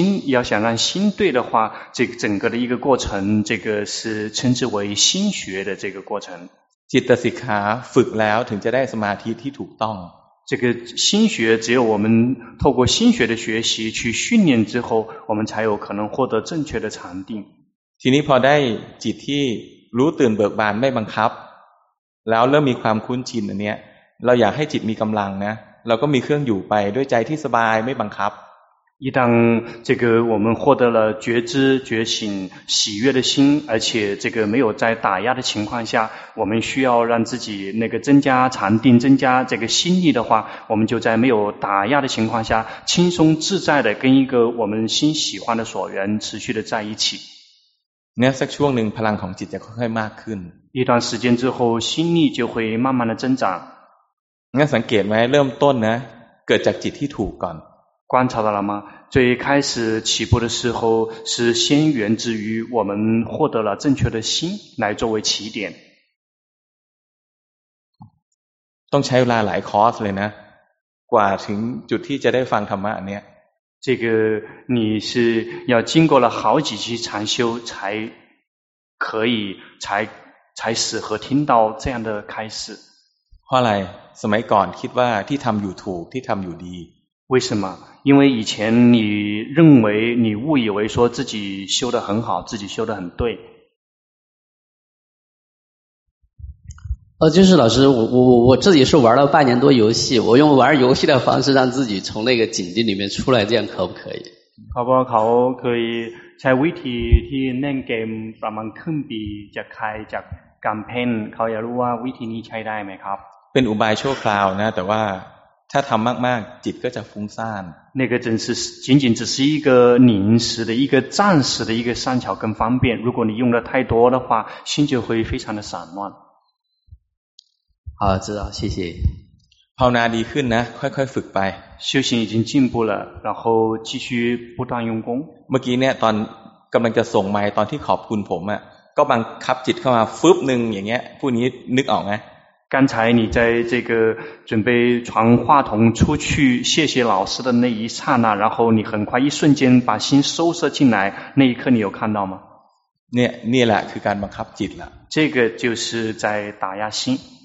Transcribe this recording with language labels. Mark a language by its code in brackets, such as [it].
[zh] 要想让心对的话这个整个的一个过程这个是称之为心学的这个过程 [th] จิตสิกขาฝึกแล้วถึงจะได้สมาธิที่ถูกต้อง [zh] 这个心学只有我们透过心学的学习去训练之后我们才有可能获得正确的禅定 [th] ทีนี้พอได้จิตที่รู้ตื่นเบิกบานไม่บังคับแล้วเริ่มมีความคุ้นชินอันเนี้ยเราอยากให้จิตมีกำลังนะเราก็มีเครื่องอยู่ไปด้วยใจที่สบายไม่บังคับ [zh] 一旦这个我们获得了觉知、觉醒、喜悦的心，而且这个没有在打压的情况下，我们需要让自己那个增加禅定、增加这个心力的话，我们就在没有打压的情况下，轻松自在的跟一个我们心喜欢的所缘持续的在一起。 [th] 那สักช่วงหนึ่ง พลังของจิตจะค่อยๆมากขึ้น [zh] 一段时间之后，心力就会慢慢的增长。 [th] 那สังเกตไหม เริ่มต้นนะ เกิดจากจิตที่ถูกก่อน [zh] 观察到了吗？最开始起步的时候是先源自于我们获得了正确的心来作为起点。 [th] ต้องใช้เวลาหลายคอร์สเลยนะกว่าถึงจุดที่จะได้ฟังธรรมะเนี่ย [zh] 这个你是要经过了好几期禅修才可以才适合听到这样的开始。 [th] เพราะอะไรสมัยก่อนคิดว่าที่ทำอยู่ถูกที่ทำอยู่ดี [zh] 为什么？因为以前你认为你误以为说自己修得很好，自己修得很对。就是老师，我自己是玩了半年多游戏，我用玩游戏的方式让自己从那个境界里面出来，这样可不可以？好不好？可以。 [th] ใช้วิธีที่เล่นเกมประมาณครึ่งปีจะคลายจากกำเพนเขาอยากรู้ว่าวิธีนี้ใช้ได้ไหมครับ？ เป็นอุบายชั่วคราวนะ，แต่ว่าถ้าทำมากๆจิตก็จะฟุ้งซ่าน [zh] 那个真是仅仅只是一个临时的一个暂时的一个善巧跟方便如果你用的太多的话心就会非常的散乱好知道谢谢 [th] ภาวนาดีขึ้นนะค่อยๆฝึกไป [zh] 修行已经进步了然后继续不断用功 [th] เมื่อกี้เนี่ยตอนกำลังจะส่งไมค์ตอนที่ขอบคุณผมอ่ะก็บังคับจิตเข้ามาฟึบหนึ่งอย่างเงี้ยผู้นี้นึกออกไหม [zh] 刚才你在这个准备传话筒出去谢谢老师的那一刹那然后你很快一瞬间把心收摄进来那一刻你有看到吗 [th] 那แหละคือการบังคับจิตละ [zh] 这个就是在打压心